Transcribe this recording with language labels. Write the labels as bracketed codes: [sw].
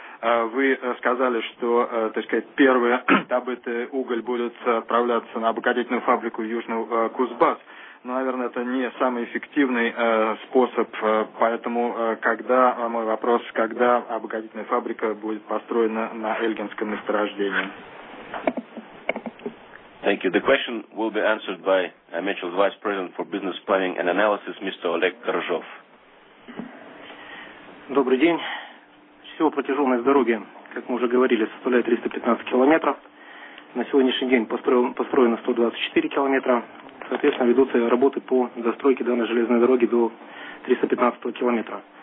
[ru] Вы сказали, что, так сказать, первые добытые уголь будут отправляться на обогатительную фабрику Южный Кузбасс. Но, наверное, это не самый эффективный способ. Поэтому когда мой вопрос, когда обогатительная фабрика будет построена на Эльгинском месторождении? [en] Thank you. The question will be answered by Mitchell's Vice President for Business Planning and Analysis, Mr. Oleg Korzhov. [ru] Добрый день. Всего протяженность дороги, как мы уже говорили, составляет 315 километров. На сегодняшний день построено 124 километра. Соответственно, ведутся работы по застройке данной железной дороги до 315 километра.